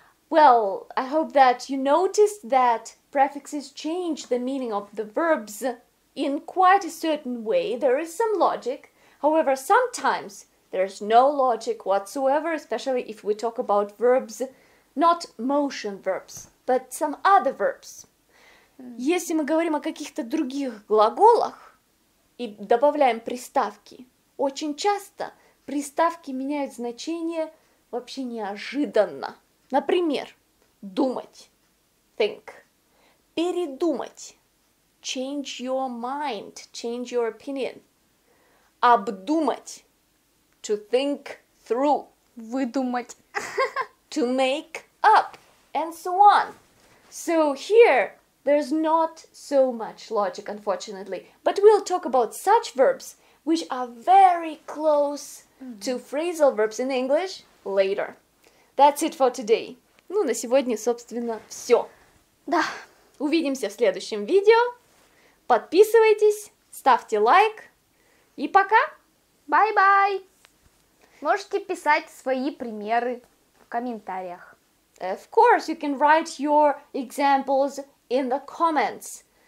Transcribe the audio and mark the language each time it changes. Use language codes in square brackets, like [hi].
[en] Well, I hope that you noticed that prefixes change the meaning of the verbs in quite a certain way. There is some logic. However, sometimes there's no logic whatsoever, especially if we talk about verbs, not motion verbs, but some other verbs. [ru] Если мы говорим о каких-то других глаголах и добавляем приставки, очень часто приставки меняют значение вообще неожиданно. Например, думать, [en] think, [ru] передумать, [en] change your mind, change your opinion, [ru] обдумать, [en] to think through, [ru] выдумать, [en] to make up, and so on. So here, there's not so much logic, unfortunately, but we'll talk about such verbs, which are very close to phrasal verbs in English later. That's it for today. [ru] Ну, на сегодня, собственно, все. Да. Увидимся в следующем видео. Подписывайтесь, ставьте лайк. И пока. [en] Bye-bye. [ru] Можете писать свои примеры в комментариях. [en] Of course, you can write your examples in the comments.